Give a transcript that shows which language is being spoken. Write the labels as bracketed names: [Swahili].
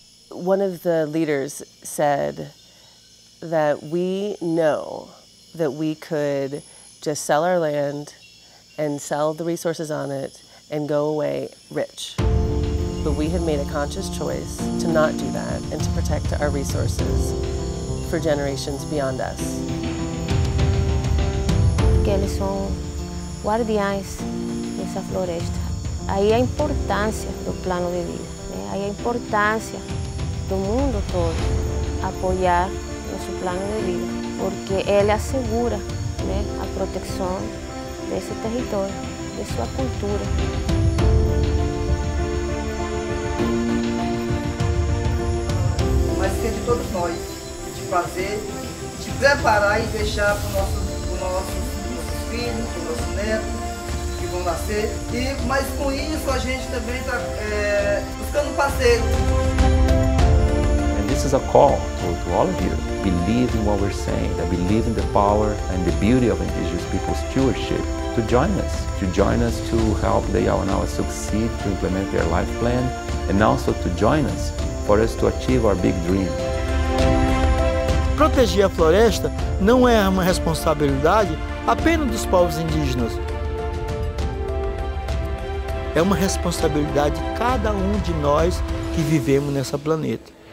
[English] One of the leaders said that we know that we could just sell our land and sell the resources on it and go away rich. But we have made a conscious choice to not do that and to protect our resources for generations beyond us. [Portuguese] que eles são guardiães dessa floresta. Aí a importância do plano de vida, né? Aí a importância do mundo todo apoiar nosso plano de vida, porque ele assegura, né, a proteção desse território, de sua cultura. Mas tem de todos nós de fazer, de preparar e deixar para os nossos filhos, para os nossos netos que vão nascer. E, mas com isso a gente também está buscando parceiro. [English] This is a call to all of you. Believe in what we're saying. I believe in the power and the beauty of Indigenous people's stewardship. To join us. To join us to help the Yawanawa succeed to implement their life plan. And also to join us for us to achieve our big dream. [Portuguese] Proteger a floresta não é uma responsabilidade apenas dos povos indígenas. É uma responsabilidade de cada um de nós que vivemos nessa planeta.